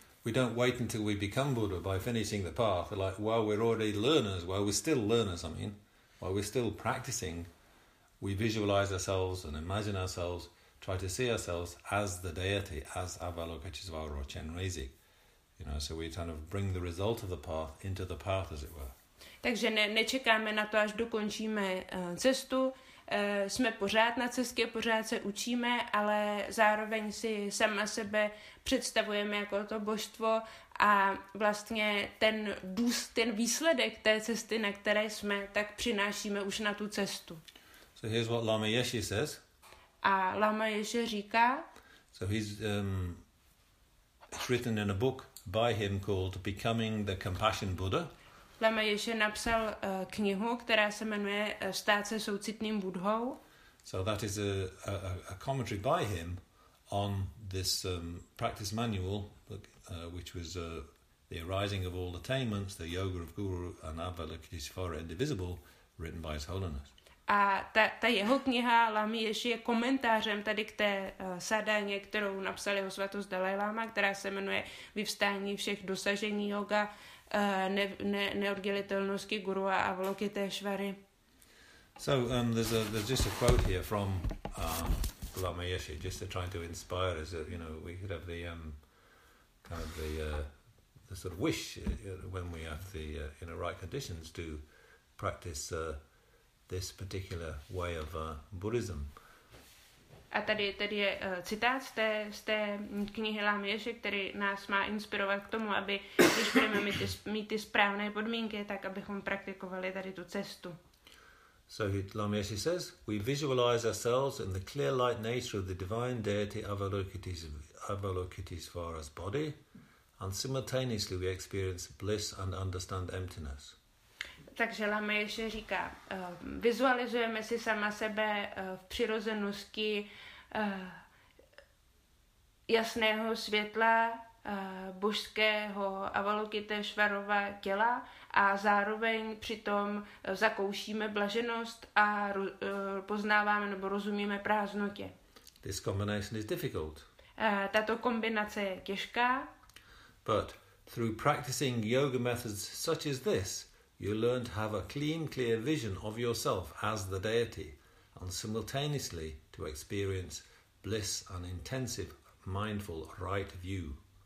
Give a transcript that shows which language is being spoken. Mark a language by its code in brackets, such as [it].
[en] We don't wait until we become Buddha by finishing the path. Like, while we're already learners, while we're still learners, I mean, while we're still practicing, we visualize ourselves and imagine ourselves, try to see ourselves as the deity, as Avalokiteshvara or Chenrezig. You know, so we kind of bring the result of the path into the path, as it were. [cs] Takže nečekáme na to, až dokončíme cestu. Jsme pořád na cestě, pořád se učíme, ale zároveň si sama sebe představujeme jako to božstvo a vlastně ten výsledek té cesty, na které jsme, tak přinášíme už na tu cestu. [en] So here's what Lama Yeshe says. [cs] A Lama Yeshe říká. [en] So he's written in a book by him called Becoming the Compassion Buddha. [cs] Lama Yeshe napsal knihu, která se jmenuje Stát se soucitným Buddhou. [en] So that is a commentary by him on this practice manual, which was The Arising of All Attainments, The Yoga of Guru and Avalokiteshvara Indivisible, written by His Holiness. [cs] A ta jeho kniha Lama Ješi je komentářem tady k té sadáně, kterou napsal jeho svatost Dalai Lama, která se jmenuje Vyvstání všech dosažení yoga, neoddělitelnosti guru a Avalokiteshvary. [en] So there's just a quote here from Lama Ješi, just to try to inspire us, you know, we could have the sort of wish when we have the in the right conditions to practice this particular way of Buddhism. [cs] A tady je citát z té knihy Lama Ješi, který nás má inspirovat k tomu, aby když budeme mít ty správné podmínky, tak abychom praktikovali tady tu cestu. [en] So Lama Ješi says, we visualize ourselves in the clear light nature of the divine deity Avalokiteshvara's body, and simultaneously we experience bliss and understand emptiness. [cs] Takže Lama Ješi říká, vizualizujeme si sama sebe v přirozenosti jasného světla božského Avalokiteshvarova těla a zároveň přitom zakoušíme blaženost a poznáváme nebo rozumíme prázdnotě. [en] This combination is difficult. [cs] Tato kombinace je těžká. [en] But through practicing yoga methods such as this, you learn to have a clean, clear vision of yourself as the deity, and simultaneously to experience bliss and intensive, mindful right view.